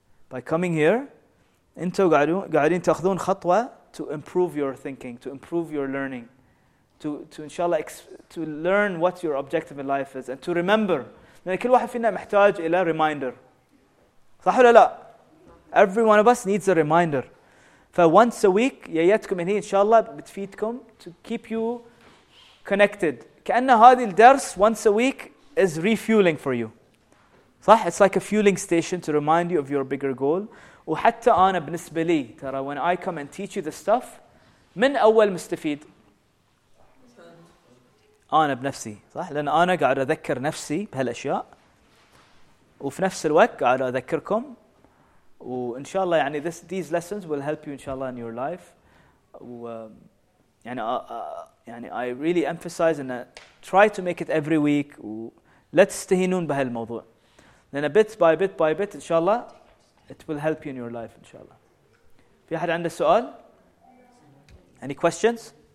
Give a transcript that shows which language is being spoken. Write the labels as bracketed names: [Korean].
[English] By coming here, [Arabic] أنتوا قاعدين تأخذون خطوة [English] to improve your thinking, to improve your learning, to inshallah to learn what your objective in life is and to remember. [Arabic] يعني كل واحد فينا محتاج إلى reminder. صح ولا لا؟ [English] Every one of us needs a reminder. فonce a week [Arabic] يأتكم هنا إنشاءالله بتفيدكم [English] to keep you connected. [Arabic] كأن هذه الدرس [English] once a week is refueling for you. [Arabic] صح؟ [English] It's like a fueling station to remind you of your bigger goal. [Arabic] وحتى أنا بالنسبة لي ترى [English] when I come and teach you this stuff [Arabic] من أول مستفيد أنا بنفسي، صح؟ لأن أنا قاعد أذكر نفسي بهالأشياء وفي نفس الوقت قاعد أذكركم. وإن شاء الله يعني [English] these lessons will help you إن شاء الله in your life. [Arabic] يعني [English] I really emphasize and try to make it every week. [Arabic] لا تستهينون بهالموضوع لأن [English] bit by bit by bit إن شاء الله it will help you in your life إن شاء الله. [Arabic] في أحد عنده سؤال؟ [English] Any questions؟